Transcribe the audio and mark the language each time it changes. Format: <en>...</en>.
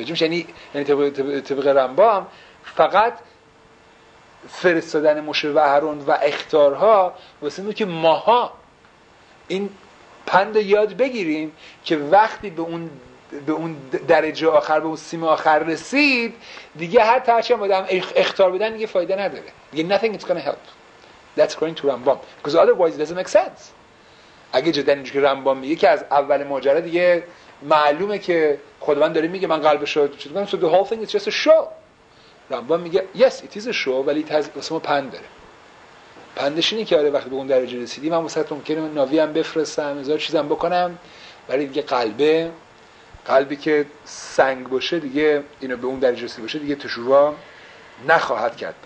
<fa>متوجه میشی؟ یعنی طبق رمبام فقط فرستادن موشه و هارون و اختارها واسه اینه که ماها این پند یاد بگیریم که وقتی به اون درجه آخر، به اون سیم آخر رسید، دیگه هر تاچی هم آدم اختار بدن دیگه فایده نداره. دیگه</fa> <en>nothing is gonna help. That's according to Rambam. Because otherwise it doesn't make sense.</en> <fa>اگه جدا اینجوری که رمبام میگه که از اول ماجرا دیگه معلومه که خداوند داره میگه من قلبش رو چطور کنم؟</fa> <en>So the whole thing is just a show.</en> <fa>رمبام میگه</fa> <en>yes it is a show</en> <fa>ولی واسه ما پند داره. پندش اینه که آره وقتی به اون درجه رسیدی من واسه تو ممکنه ناوی هم بفرستم، هزار چیزام بکنم، ولی دیگه قلبی که سنگ باشه دیگه اینو به اون درجه رسیده باشه دیگه تشوبا نخواهد کرد.</fa>